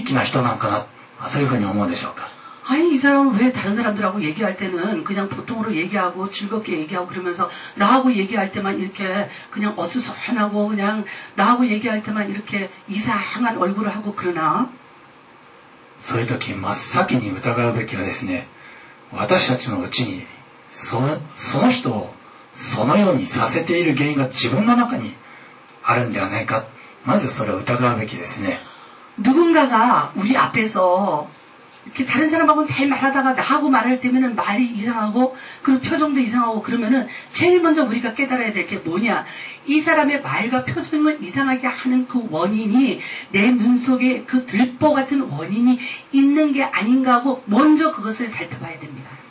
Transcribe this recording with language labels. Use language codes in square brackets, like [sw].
[ja] なんでこの人私にだけこんな冷たい態度を取るのかな。かなりエコひいきな人なんかな。そういうふうに思うでしょうか。 [ko] 아니 이 사람은 왜 다른 사람들하고 얘기할 때는 그냥 보통으로 얘기하고 즐겁게 얘기하고 그러면서 나하고 얘기할 때만 이렇게 그냥 어수선하고 그냥 나하고 얘기할 때만 이렇게 이상한 얼굴을 하고 그러나? [ja] そういう時真っ先に疑うべきはですね、私たちのうちにその人をそのようにさせている原因が自分の中にあるんではないか。まずそれを疑うべきですね。 [ko] 누군가가 우리 앞에서 이렇게 다른 사람하고는 잘 말하다가 나하고 말할 때면은 말이 이상하고 그리고 표정도 이상하고 그러면은 제일 먼저 우리가 깨달아야 될 게 뭐냐? 이 사람의 말과 표정을 이상하게 하는 그 원인이 내 눈 속에 그 들보 같은 원인이 있는 게 아닌가 하고 먼저 그것을 살펴봐야 됩니다.